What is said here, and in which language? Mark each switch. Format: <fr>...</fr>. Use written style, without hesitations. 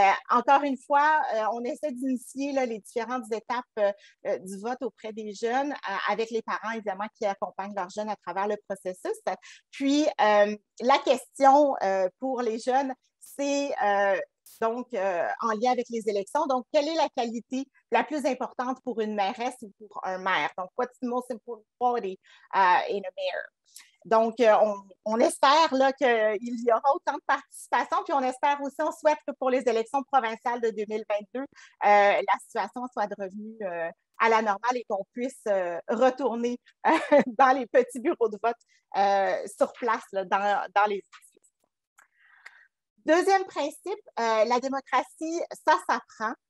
<fr>Encore une fois, on essaie d'initier là, les différentes étapes du vote auprès des jeunes, avec les parents, évidemment, qui accompagnent leurs jeunes à travers le processus. Puis, la question pour les jeunes, c'est... Donc, en lien avec les élections. Donc, quelle est la qualité la plus importante pour une mairesse ou pour un maire?</fr> <en>Donc, what's the most important quality in a mayor?</en> <fr>Donc, on espère là, qu'il y aura autant de participation, puis on espère aussi, on souhaite que pour les élections provinciales de 2022, la situation soit revenue à la normale et qu'on puisse retourner dans les petits bureaux de vote sur place là, dans les deuxième principe, la démocratie, ça s'apprend.</fr>